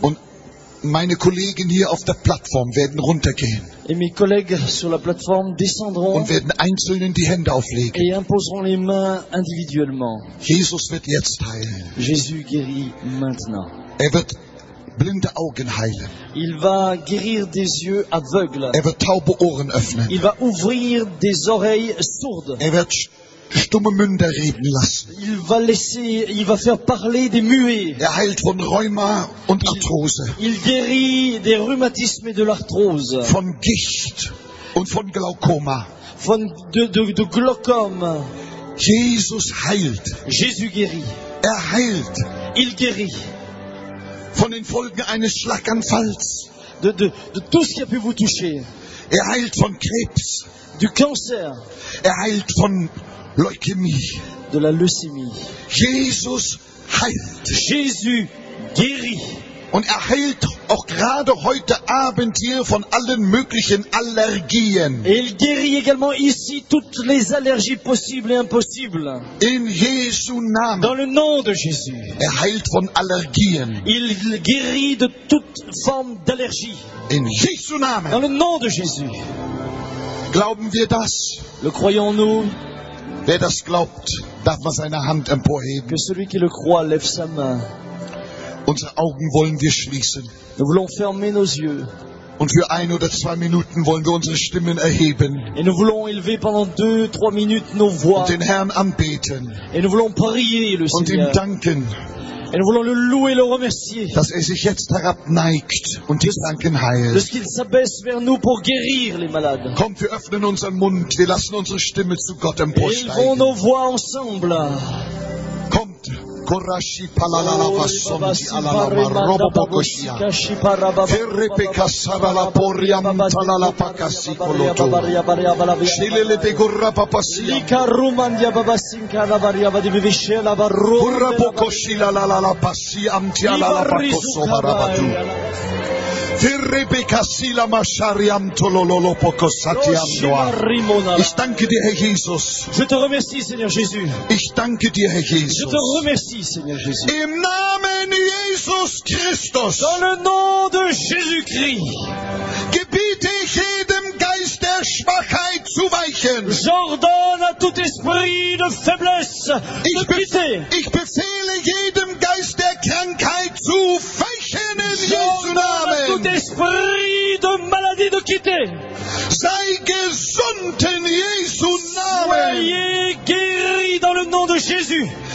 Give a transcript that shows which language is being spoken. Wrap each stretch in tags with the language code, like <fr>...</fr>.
<de>Und meine Kollegen hier auf der Plattform werden runtergehen.</de> <fr>Et mes collègues sur la plateforme descendront</fr> <de>und werden einzelnen die Hände auflegen.</de> <fr>Et imposeront les mains individuellement.</fr> <de>Jesus wird jetzt heilen.</de> <fr>Jésus guérit maintenant.</fr> <de>Er wird blinde Augen heilen.</de> <fr>Il va guérir des yeux aveugles.</fr> <de>Er wird taube Ohren öffnen.</de> <fr>Il va ouvrir des oreilles sourdes.</fr> <de>Er wird stumme Münder reden lassen.</de> <fr>Il va faire parler des muets.</fr> <de>Er heilt von Rheuma und Arthrose.</de> <fr>Il guérit des rhumatismes et de l'arthrose.</fr> <de>Von Gicht und von Glaukoma.</de> <fr>De Glaucome.</fr> <de>Jesus heilt.</de> <fr>Jésus guérit.</fr> <de>Er heilt.</de> <fr>Il guérit.</fr> <de>Von den Folgen eines Schlaganfalls.</de> <fr>De tout ce qui a pu vous toucher.</fr> <de>Er heilt von Krebs.</de> <fr>Du Cancer.</fr> <de>Er heilt von Leukämie.</de> <fr>De la leucémie.</fr> <de>Jesus heilt.</de> <fr>Jésus guérit.</fr> <de>Und er heilt auch gerade heute Abend hier von allen möglichen Allergien.</de> <fr>Et il guérit également ici toutes les allergies possibles et impossibles.</fr> <de>In Jesu Namen.</de> <fr>Dans le nom de Jésus.</fr> <de>Er heilt von Allergien.</de> <fr>Il guérit de toute forme d'allergie.</fr> <de>In Jesu Namen.</de> <fr>Dans le nom de Jésus.</fr> <de>Glauben wir das?</de> <fr>Le croyons-nous?</fr> <de>Wer das glaubt, darf mal seine Hand emporheben.</de> <fr>Que celui qui le croit lève sa main.</fr> <de>Unsere Augen wollen wir schließen.</de> <fr>Nous voulons fermer nos yeux.</fr> <de>Und für ein oder zwei Minuten wollen wir unsere Stimmen erheben.</de> <fr>Et nous voulons élever pendant deux, trois minutes nos voix.</fr> <de>Und den Herrn anbeten.</de> <fr>Et nous voulons prier le Seigneur.</fr> <de>Und ihm danken.</de> <fr>Et nous voulons le louer, le remercier.</fr> <de>Dass er sich jetzt herabneigt und die Kranken heilt.</de> <fr>Dass qu'il s'abaisse vers nous pour guérir les malades.</fr> <de>Kommt, wir öffnen unseren Mund, wir lassen unsere Stimme zu Gott emporsteigen.</de> <fr>Élevons nos voix ensemble. Kommt. Korashi palalala vasom di alalama robo pokosia. Ferre pekasara la poriam talala pakasi koloto. Shilele pegurra papasia. Lika ruman di ababasinka la variava di vivisce la varro. Kurra pokosi la la la la pasi am ti alala pakoso marabatu. Ferre pekasi la mashariam tolololo pokosati am doa.</fr> <de>Ich danke dir, Herr Jesus.</de> <fr>Je te remercie, Seigneur Jésus.</fr> <de>Ich danke dir, Herr Jesus.</de> <fr>Je te remercie. Seigneur Jésus.</fr> <de>Im Namen Jesus Christus.</de> <fr>Dans le nom de Jésus-Christ.</fr> <de>Gebiete ich jedem Geist der Schwachheit zu weichen.</de> <fr>J'ordonne à tout esprit de faiblesse</fr> <de>ich</de> <fr>de quitter.</fr> <de>Ich befehle jedem Geist der Krankheit zu weichen in Jesu Namen.</de> <fr>À tout esprit de maladie de quitter.</fr> <de>Sei gesund in Jesu Namen.</de> <fr>Soyez guéri dans le nom de Jésus.</fr>